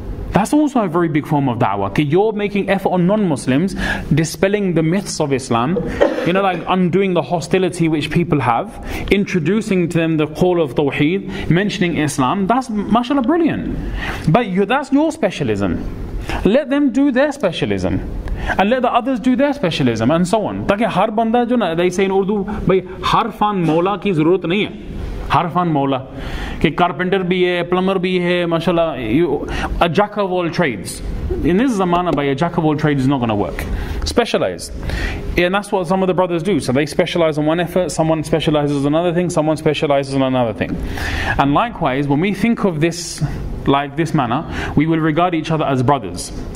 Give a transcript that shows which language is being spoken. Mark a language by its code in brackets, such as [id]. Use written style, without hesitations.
[en] That's also a very big form of da'wah. Okay, you're making effort on non-Muslims, dispelling the myths of Islam, you know, like undoing the hostility which people have, introducing to them the call of Tawheed, mentioning Islam. That's, mashallah, brilliant. But that's your specialism. Let them do their specialism. And let the others do their specialism, and so on. [ur] تاکہ ہر بندہ جو نا، [en] they say in Urdu، [ur] بھائی، ہر فن مولا کی ضرورت نہیں ہے۔ ہرفن مولا، کہ carpenter بھی ہے، plumber بھی ہے، ماشاءاللہ، [en] a jack of all trades. In this zamana, by a jack of all trades is not going to work. Specialize. And that's what some of the brothers do. So they specialize on one effort, someone specializes on another thing, someone specializes on another thing. And likewise, when we think of this like this manner, we will regard each other as brothers.